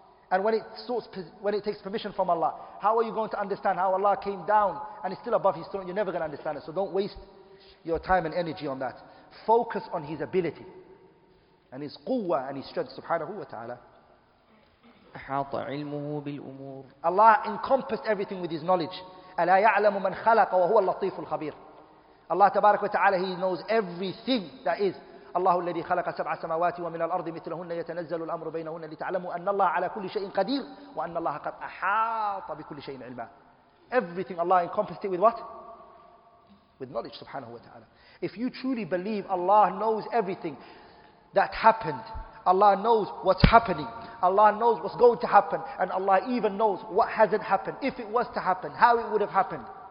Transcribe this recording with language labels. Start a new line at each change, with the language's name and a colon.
English: And when it takes permission from Allah. How are you going to understand how Allah came down and is still above His throne? You're never going to understand it. So don't waste your time and energy on that. Focus on His ability. And His quwwah and His strength. Subhanahu wa ta'ala.
Arabic: أحاط علمه بالأمور.
English: Allah encompassed everything with His knowledge.
Arabic: ألا يعلم من خلق وهو اللطيف الخبير.
English: Allah
Arabic: تبارك وتعالى,
English: He knows everything that is.
Arabic: الله الذي خلق سبع سماوات ومن الأرض مثلهن يتنزل الأمر بينهن لتعلموا أن الله على كل شيء قدير وأن الله قد أحاط بكل شيء علما.
English: Everything Allah encompassed it with what? With knowledge,
Arabic: سبحانه وتعالى.
English: If you truly believe Allah knows everything that happened, Allah knows what's happening, Allah knows what's going to happen, and Allah even knows what hasn't happened, if it was to happen, how it would have happened.